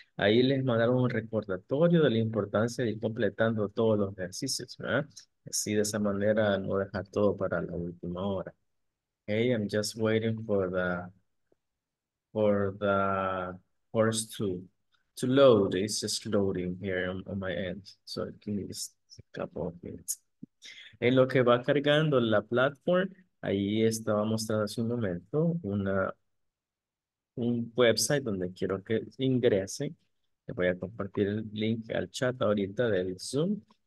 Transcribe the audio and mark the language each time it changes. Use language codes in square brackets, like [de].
[es] Ahí les mandaron un recordatorio de la importancia de ir completando todos los ejercicios, ¿verdad? Así de esa manera no dejar todo para la última hora. [en] Okay, I'm just waiting for the course to load. It's just loading here on my end. So it needs a couple of minutes. [es] En lo que va cargando la platform, ahí estaba mostrando hace un momento un website donde quiero que ingresen. Les voy a compartir el link al chat ahorita del Zoom.